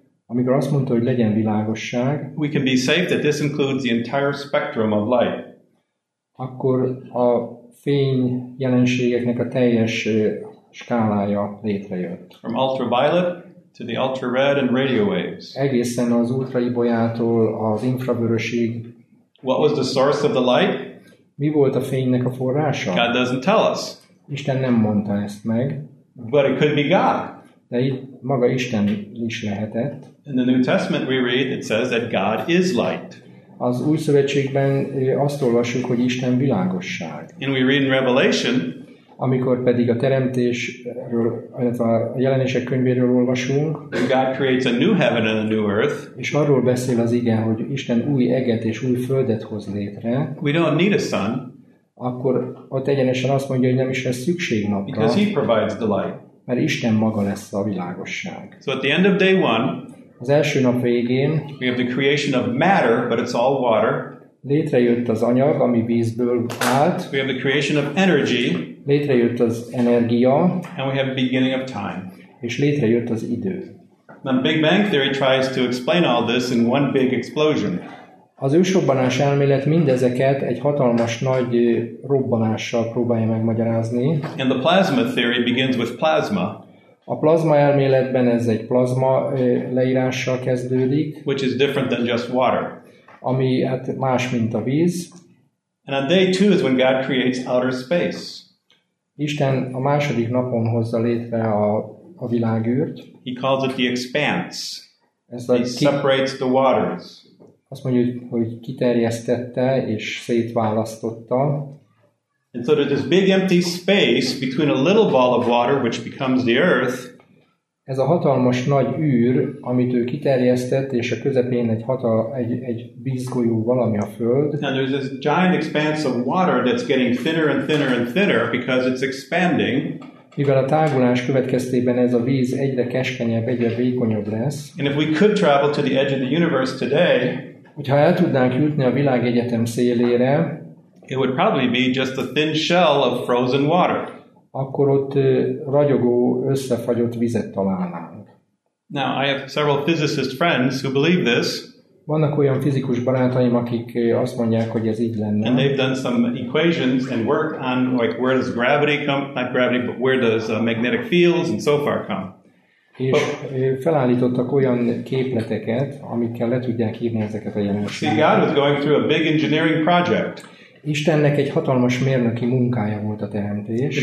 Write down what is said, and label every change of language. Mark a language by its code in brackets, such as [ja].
[hu] amikor azt mondta, hogy legyen világosság, [en] we can be safe that this includes the entire spectrum of light. [hu] Akkor a fény jelenségeknek a teljes skálája létrejött. [en] From ultraviolet to the ultra-red and radio waves. [hu] Egészen az ultraibolyától az infravörösig. [en] What was the source of the light? [hu] Mi volt a fénynek a forrása? [en] God doesn't tell us. [hu] Isten nem mondta ezt meg. [en] But it could be God. [hu] De itt maga Isten is lehetett. [en] In the New Testament we read, it says that God is light. [hu] Az Új Szövetségben azt olvasjuk, hogy Isten világosság. [en] And we read in Revelation, [hu] amikor pedig a teremtésről, illetve a jelenések könyvéről olvasunk, [en] God creates a new heaven and a new earth, [hu] és arról beszél az ige, hogy Isten új eget és új földet hoz létre. [en] We don't need a sun. [hu] Akkor ott egyenesen azt mondja, hogy nem is lesz szükség napra. [en] Because he provides the light. [hu] Mert Isten maga lesz a világosság. [en] So at the end of day one, [hu] az első nap végén, [en] we have the creation of matter, but it's all water. [hu] Létrejött az anyag, ami vízből állt. [en] We have the creation of energy. [hu] Létrejött az energia. [en] And we have the beginning of time. [hu] És létrejött az idő. [en] The Big Bang theory tries to explain all this in one big explosion. [hu] Az ősrobbanás elmélet mindezeket egy hatalmas nagy robbanással próbálja megmagyarázni. [en] And the plasma theory begins with plasma. [hu] A plazma elméletben ez egy plazma leírással kezdődik. [en] Which is different than just water. [hu] Ami hát más, mint a víz. [en] And on day two is when God creates outer space. [hu] Isten a második napon hozza létre a világűrt. [en] He calls it the expanse. Separates the waters. [hu] Azt mondja, hogy kiterjesztette és szétválasztotta. [en] And so there's this big empty space between a little ball of water, which becomes the earth. [hu] Ez a hatalmas nagy űr, amit ő kiterjesztett, és a közepén egy vízgolyó, valami a föld. [en] And there's this giant expanse of water that's getting thinner and thinner and thinner because it's expanding. [hu] Mivel a tágulás következtében ez a víz egyre keskenyebb, egyre vékonyabb lesz. [en] And if we could travel to the edge of the universe today, [hu] Hogyha el tudnánk jutni a világegyetem szélére, [en] it would probably be just a thin shell of frozen water. [hu] Akkor ott ragyogó, összefagyott vizet találnánk. [en] Now, I have several physicist friends who believe this. [hu] Vannak olyan fizikus barátaim, akik azt mondják, hogy ez így lenne. [en] And they've done some equations and work on like where does gravity come, not gravity, but where does magnetic fields and so far come. [hu] És felállítottak olyan képleteket, amikkel le tudják írni ezeket a jelenségeket. [en] See, God was going through a big engineering project. [hu] Istennek egy hatalmas mérnöki munkája volt a teremtés.